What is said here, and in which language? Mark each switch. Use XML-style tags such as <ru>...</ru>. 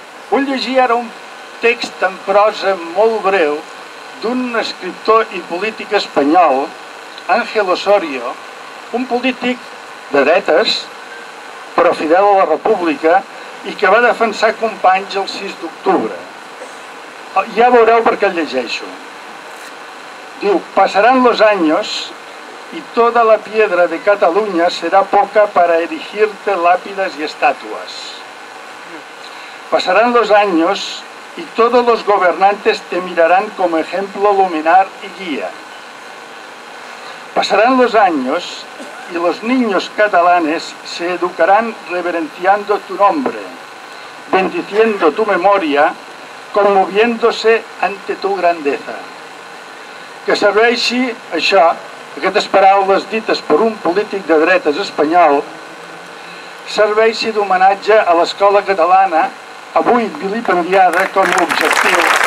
<ca>Vull llegir ara un text en prosa molt breu d'un escriptor i polític espanyol, Ángel Osorio, un polític de dretes, però fidel a la República, i que va defensar Companys el 6 d'octubre. Ja veureu per què el llegeixo.</ca> <es>Diu, passaran los años y toda la piedra de Cataluña será poca para erigirte lápidas y estatuas. Pasarán los años y todos los gobernantes te mirarán como ejemplo luminar y guía. Pasarán los años y los niños catalanes se educarán reverenciando tu nombre, bendiciendo tu memoria, conmoviéndose ante tu grandeza.</es> <ca>Que serveixi això, aquestes paraules dites per un polític de dretes espanyol, serveixi d'homenatge a l'escola catalana, avui vilipendiada com a objectiu.</ca>